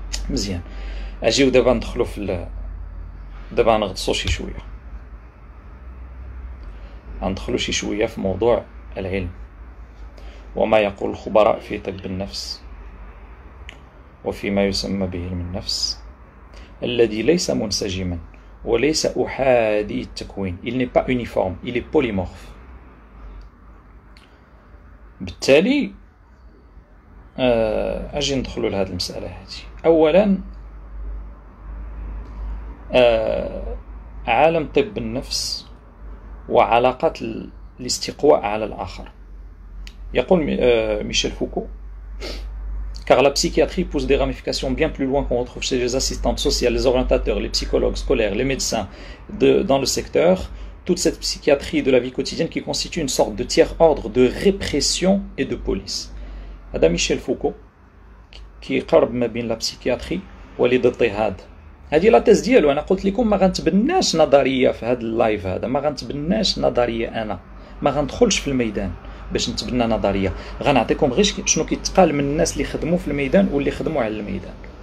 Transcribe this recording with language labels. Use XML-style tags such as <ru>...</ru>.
<ar>مزيان، اجيو دابا ندخلوا في دابا نغطسوا شي شويه، ندخلوا شي شويه في موضوع العلم وما يقول الخبراء في طب النفس وفيما يسمى بعلم النفس الذي ليس منسجما وليس احادي التكوين.</ar> <fr>il n'est pas uniforme, il est polymorphe.</fr> <ar>بالتالي اجي ندخلوا لهذه المساله هذه. اولا عالم طب النفس وعلاقات الاستقواء على الاخر. يقول ميشيل فوكو</ar> <fr>car la psychiatrie pousse des ramifications bien plus loin qu'on retrouve chez les assistantes sociales, les orientateurs, les psychologues scolaires, les médecins dans le secteur. Toute cette psychiatrie de la vie quotidienne qui constitue une sorte de tiers ordre de répression et de police. Adam Michel Foucault qui est</fr> <ar>قرب ما بين</ar> <fr>la psychiatrie</fr> <ar>والاضطهاد. الاضطهاد هذه لا تيز ديالو. انا قلت لكم ما غنتبناش نظريه في هذا اللايف، هذا ما غنتبناش نظريه، انا ما غندخلش في الميدان، باش نتبنى نظرية. غنعطيكم غير شنو كيتقال من الناس اللي خدموا في الميدان واللي خدموا على الميدان.</ar>